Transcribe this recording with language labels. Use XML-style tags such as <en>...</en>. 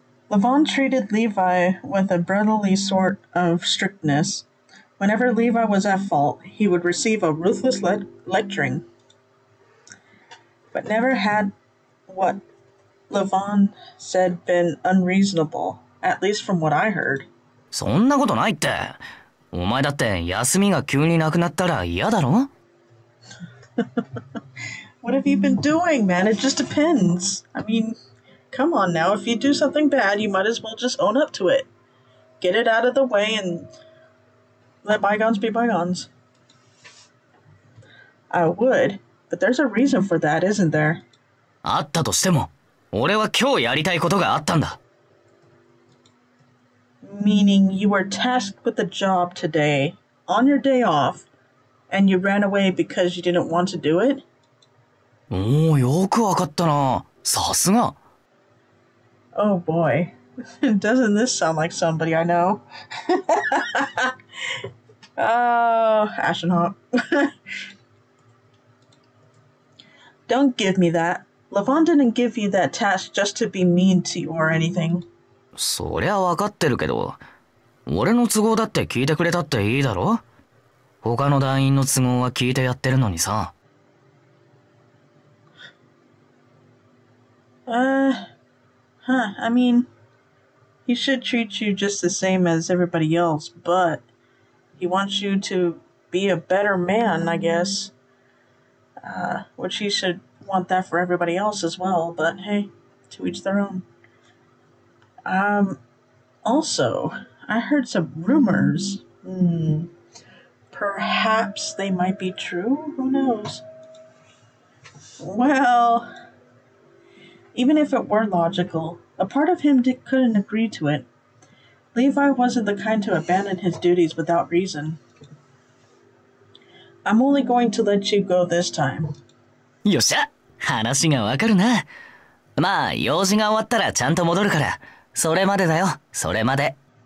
<en>Lavan treated Levi with a brotherly sort of strictness. Whenever Levi was at fault, he would receive a ruthless lecturing. But never had what Lavan said been unreasonable, at least from what I heard.</en> <ja>そんなことないって。お前だって休みが急になくなったら嫌だろ?</ja> <en>What have you been doing, man? It just depends. I mean, come on now. If you do something bad, you might as well just own up to it. Get it out of the way and let bygones be bygones. I would, but there's a reason for that, isn't there?</en> <ja>あったとしても、俺は今日やりたいことがあったんだ。</ja> <en>Meaning you were tasked with a job today, on your day off, and you ran away because you didn't want to do it?</en> <ja>おー、よくわかったな。さすが。</ja> <en>Oh boy. Doesn't this sound like somebody I know? Oh, Ashen Hawk. Don't give me that. Lavan didn't give you that task just to be mean to you or anything.</en> <ja>そりゃ分かってるけど、俺の都合だって聞いてくれたっていいだろ? 他の団員の都合は聞いてやってるのにさ。</ja> <en>I mean, he should treat you just the same as everybody else, but he wants you to be a better man, I guess. Which he should want that for everybody else as well, but hey, to each their own. Also, I heard some rumors. Perhaps they might be true? Who knows? Well, even if it were logical, a part of him couldn't agree to it. Levi wasn't the kind to abandon his duties without reason. I'm only going to let you go this time.</en> <ja>よっしゃ、話がわかるな。まあ、用事が終わったらちゃんと戻るから。それまでだよ、それまで。</ja>